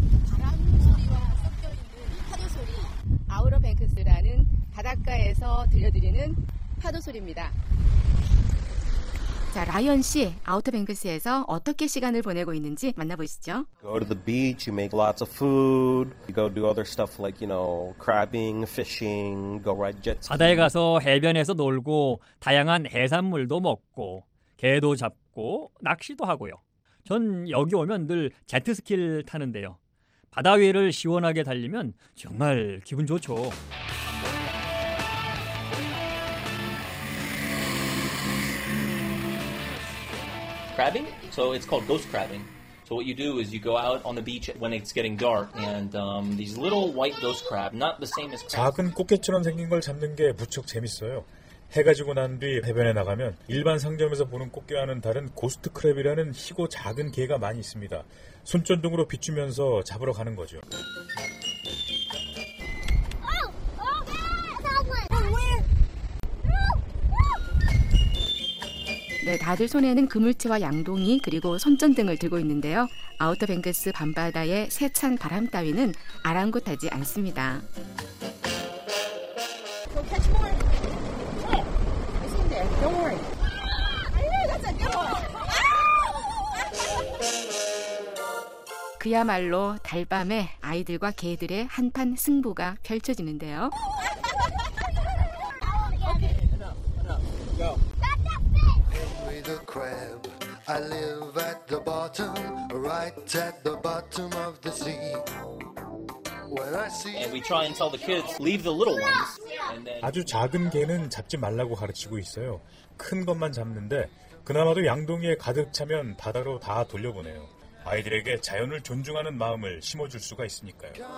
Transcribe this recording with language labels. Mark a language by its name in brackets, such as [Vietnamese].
[Korean] 바람 소리와 섞여 있는 파도 소리. 아우터뱅크스라는 바닷가에서 들려드리는 파도 소리입니다. 자, 라이언 씨, 아우터뱅크스에서 어떻게 시간을 보내고 있는지 만나보시죠. [English] Go to the beach, you make lots of food. You go do other stuff like, you know, crabbing, fishing, go ride jet ski. [Korean] 바다에 가서 해변에서 놀고 다양한 해산물도 먹고 개도 잡고 낚시도 하고요. 전 여기 오면 늘 제트스키를 타는데요. 바다 위를 시원하게 달리면 정말 기분 좋죠. [English] 크래빙? So it's called ghost crabbing. So what you do is you go out on the beach when it's getting dark and these little white ghost crab, not the same as crab. [Korean] 작은 꽃게처럼 생긴 걸 잡는 게 무척 재밌어요. 해가 지고 난 뒤 해변에 나가면 일반 상점에서 보는 꽃게와는 다른 고스트 크랩이라는 희고 작은 개가 많이 있습니다. 손전등으로 비추면서 잡으러 가는 거죠. [English] Oh, oh, oh, oh, where? [Korean] No. 네, 다들 손에는 그물체와 양동이 그리고 손전등을 들고 있는데요. 아우터뱅크스 밤바다의 세찬 바람 따위는 아랑곳하지 않습니다. [English] Don't worry. Yeah, that's [Korean] a 그야말로 달밤에 아이들과 개들의 한판 승부가 펼쳐지는데요. [English] Okay, enough. And we try and tell the kids, leave the little ones. [Korean] 아주 작은 개는 잡지 말라고 가르치고 있어요. 큰 것만 잡는데 그나마도 양동이에 가득 차면 바다로 다 돌려보내요. 아이들에게 자연을 존중하는 마음을 심어줄 수가 있으니까요.